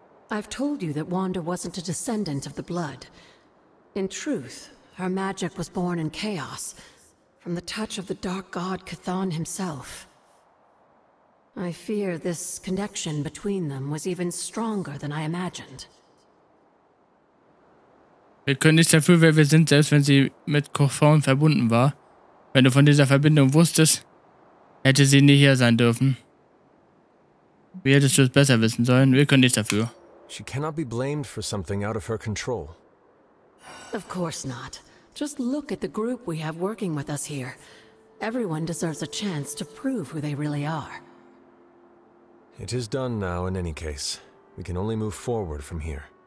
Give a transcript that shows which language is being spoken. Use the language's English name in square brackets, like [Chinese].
[English] I've told you that Wanda wasn't a descendant of the blood. In truth, her magic was born in chaos, from the touch of the dark god K'thon himself. I fear this connection between them was even stronger than I imagined. [German] Wir können nicht dafür, wer wir sind, selbst wenn sie mit K'thon verbunden war. Wenn du von dieser Verbindung wusstest, hätte sie nie hier sein dürfen. Wie hättest du es besser wissen sollen? Wir können nicht dafür. [English] She cannot be blamed for something out of her control. Of course not. Just look at the group we have working with us here. Everyone deserves a chance to prove who they really are. It is done now in any case. We can only move forward from here.